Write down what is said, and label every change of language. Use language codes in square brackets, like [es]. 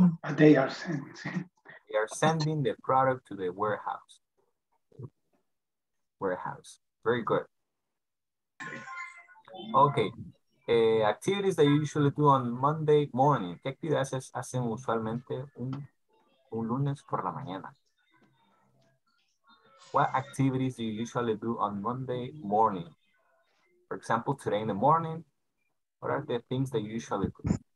[en] They are sending the product to the warehouse. Warehouse. Very good. Okay. Activities that you usually do on Monday morning. [es] ¿Qué actividades hacen usualmente un lunes por la mañana? [en] What activities do you usually do on Monday morning? For example, today in the morning, what are the things that you usually do?